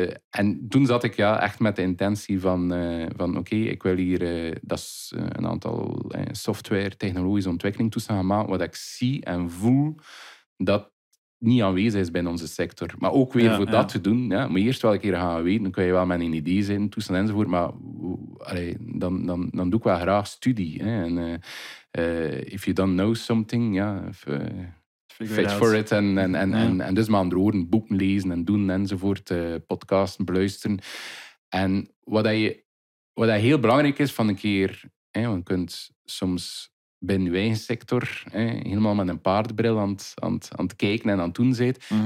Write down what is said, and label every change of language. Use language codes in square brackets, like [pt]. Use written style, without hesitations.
[nl] En toen zat ik echt met de intentie van ik wil hier een aantal software, technologische ontwikkeling toestaan gaan maken, wat ik zie en voel dat niet aanwezig is binnen onze sector. Maar ook weer dat te doen, moet je eerst wel een keer gaan weten, dan kun je wel met een idee zijn, toestaan enzovoort, maar dan doe ik wel graag studie. Hè. [en] En if you don't know something, fit for it. [nl] En dus met andere woorden, boeken lezen en doen enzovoort, podcasten beluisteren. En wat dat heel belangrijk is van een keer, want je kunt soms binnen je eigen sector, helemaal met een paardenbril aan het kijken en aan het doen zijn. Mm-hmm.